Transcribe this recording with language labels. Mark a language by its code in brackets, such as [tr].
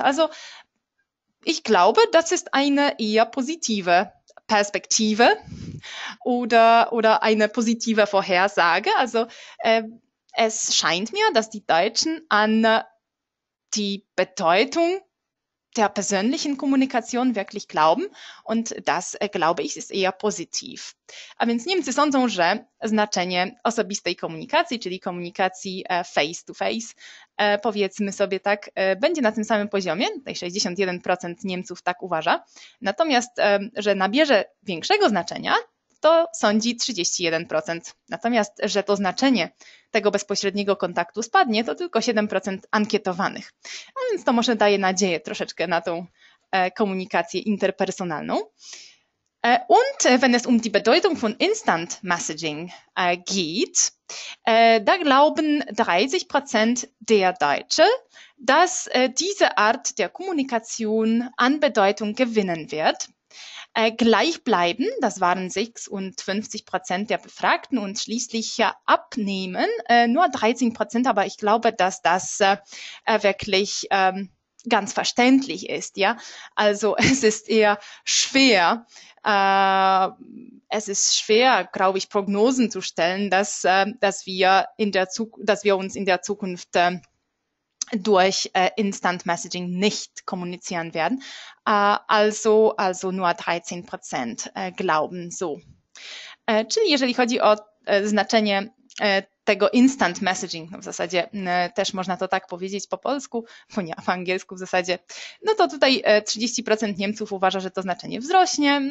[de] Also ich glaube, das ist eine eher positive Perspektive oder eine positive Vorhersage. Also es scheint mir, dass die Deutschen an die Bedeutung der persönlichen Kommunikation wirklich glauben. Und das, glaube ich, ist eher positiv. [pl] A więc Niemcy sądzą, że znaczenie osobistej komunikacji, czyli komunikacji [en] face to face, [pl] powiedzmy sobie tak, będzie na tym samym poziomie. Tutaj 61% Niemców tak uważa. Natomiast, że nabierze większego znaczenia, to sądzi 31%. Natomiast, że to znaczenie tego bezpośredniego kontaktu spadnie, to tylko 7% ankietowanych. A więc to może daje nadzieję troszeczkę na tą komunikację interpersonalną. [de] Und wenn es um die Bedeutung von Instant Messaging geht, da glauben 30% der Deutschen, dass diese Art der Kommunikation an Bedeutung gewinnen wird. Gleich bleiben, das waren 56% der Befragten und schließlich abnehmen, nur 13%, aber ich glaube, dass das wirklich ganz verständlich ist, ja. Also es ist schwer, glaube ich, Prognosen zu stellen, dass wir uns in der Zukunft durch Instant Messaging nicht kommunizieren werden. Also nur 13% glauben so. [pl] Czyli jeżeli chodzi o znaczenie tego Instant Messaging, no w zasadzie też można to tak powiedzieć po polsku, bo nie, po angielsku w zasadzie, no to tutaj 30% Niemców uważa, że to znaczenie wzrośnie.